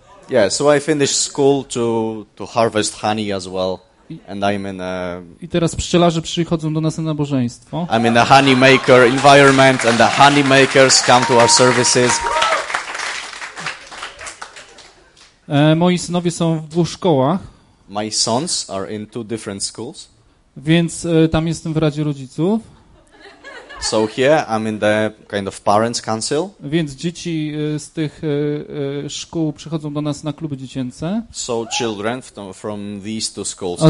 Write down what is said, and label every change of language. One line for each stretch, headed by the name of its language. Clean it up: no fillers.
English: Yeah, so I finished school to harvest honey as well. And I'm in a...
Polish: I teraz pszczelarze przychodzą do nas na nabożeństwo.
English: I'm in a honey maker environment and the honey makers come to our services.
Polish: Moi synowie są w dwóch szkołach.
English: My sons are in two different schools.
Polish: Więc tam jestem w Radzie Rodziców.
English: So here I'm in the kind of parents council.
Polish: Więc dzieci z tych szkół przychodzą do nas na kluby dziecięce.
English: So children from these two schools